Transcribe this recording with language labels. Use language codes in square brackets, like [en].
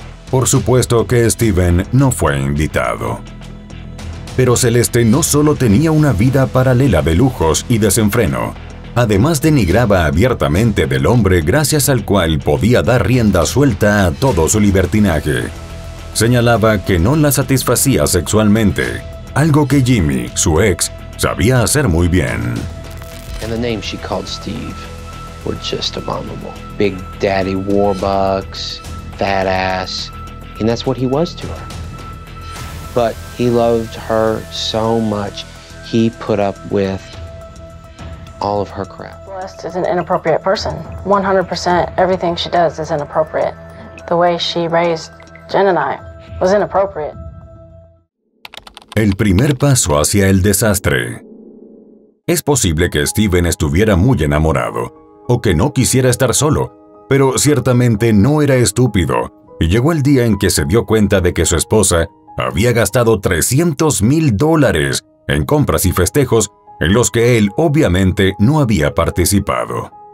[es] Por supuesto que Steven no fue invitado. Pero Celeste no solo tenía una vida paralela de lujos y desenfreno, además denigraba abiertamente del hombre gracias al cual podía dar rienda suelta a todo su libertinaje. Señalaba que no la satisfacía sexualmente, algo que Jimmy, su ex, sabía hacer muy bien. [en] And the name she called Steve were just abominable. Big Daddy Warbucks, fat ass, and that's what he was to her. But he loved her so much, he put up with all of her crap. Celeste is an inappropriate person. 100% everything she does is inappropriate. The way she raised Jen and I was inappropriate. [es] El primer paso hacia el desastre. Es posible que Steven estuviera muy enamorado, o que no quisiera estar solo, pero ciertamente no era estúpido, y llegó el día en que se dio cuenta de que su esposa había gastado $300,000 en compras y festejos en los que él obviamente no había participado.